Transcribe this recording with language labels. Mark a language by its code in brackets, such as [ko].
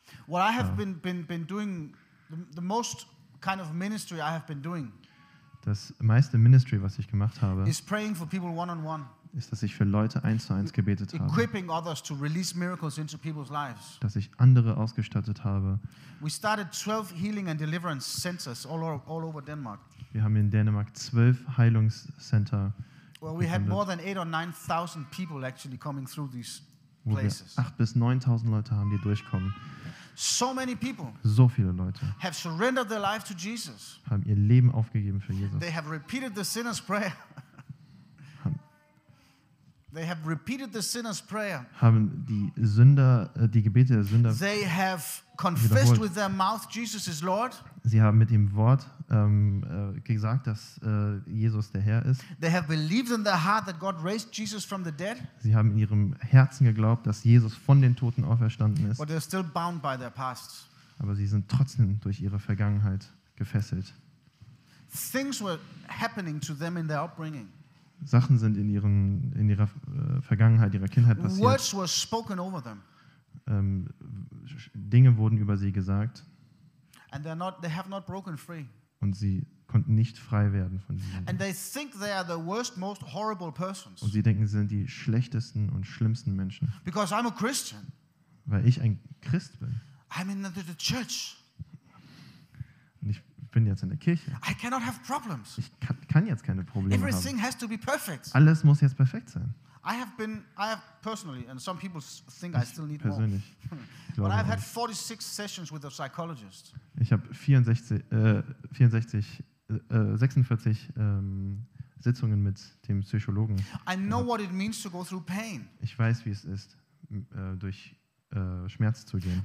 [en] What I have been doing, the most kind of ministry I have been doing. [de] Das meiste Ministry, was ich gemacht habe, [en] is praying for people one on one. [de] Ist, dass ich für Leute eins zu eins gebetet habe. [en] Equipping others to release miracles into people's lives. [de] Dass ich andere ausgestattet habe. [en] We started 12 healing and deliverance centers all over Denmark. [de] Wir haben in Dänemark 12 Heilungscenter. [en] Well, we had more than 8,000 or 9,000 people actually coming through these places. [de] 8,000 bis 9,000 Leute haben, die durchkommen. [en] So many people [de] so viele Leute [en] have surrendered their life to Jesus. [de] Haben ihr Leben aufgegeben für Jesus. [en] They have repeated the sinner's prayer. They have repeated the sinner's prayer. [de] Haben die Sünder die Gebete der Sünder. [en] They have confessed with their mouth Jesus is Lord. [de] Sie haben mit dem Wort gesagt, dass Jesus der Herr ist. [en] They have believed in their heart that God raised Jesus from the dead. [de] Sie haben in ihrem Herzen geglaubt, dass Jesus von den Toten auferstanden ist. [en] But they're still bound by their past. [de] Aber sie sind trotzdem durch ihre Vergangenheit gefesselt. [en] Things were happening to them in their upbringing. [de] Sachen sind in ihrer Vergangenheit, ihrer Kindheit passiert. [en] Words were spoken over them. [de] Dinge wurden über sie gesagt. [en] And they're not, they have not broken free. [de] Und sie konnten nicht frei werden von diesen [en] And they think they are the worst, most horrible persons. [de] Und sie denken, sie sind die schlechtesten und schlimmsten Menschen. [en] Because I'm a Christian. [de] Weil ich ein Christ bin. [en] I'm in the church. [de] Ich bin jetzt in der Kirche. [en] I cannot have problems. [de] Ich kann jetzt keine Probleme [en] Everything [de] haben. [en] Has to be perfect. [de] Alles muss jetzt perfekt sein. [en] I have personally and some people think [de] ich [en] I still need [de] persönlich [en] more. But I've had 46 sessions with a psychologist. [de] Ich habe 46 Sitzungen mit dem Psychologen. [en] I know what it means to go through pain. [de] Ich weiß, wie es ist, durch Schmerz zu gehen.